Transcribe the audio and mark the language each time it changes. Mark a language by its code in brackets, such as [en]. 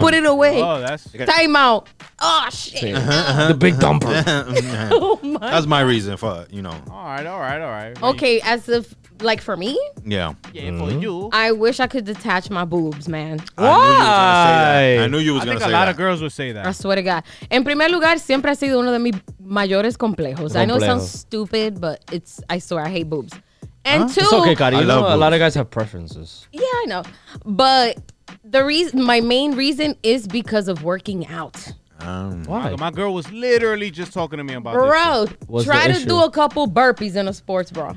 [en] put it away. Oh, that's time out. Oh shit. The big dumper. Oh, that's my reason for, you know. All right. Okay, as if like for me. Yeah. Mm-hmm. For you. I wish I could detach my boobs, man. Why? I knew you was gonna say that. I think a lot of girls would say that. I swear to God. [es] En primer lugar, siempre ha sido uno de mis mayores complejos. [en] I know it sounds stupid, but it's, I swear, I hate boobs. And two, it's okay, Cari. A lot of guys have preferences. Yeah, I know. But the reason, my main reason is because of working out. Why? My girl was literally just talking to me about this. Bro, try to do a couple burpees in a sports bra.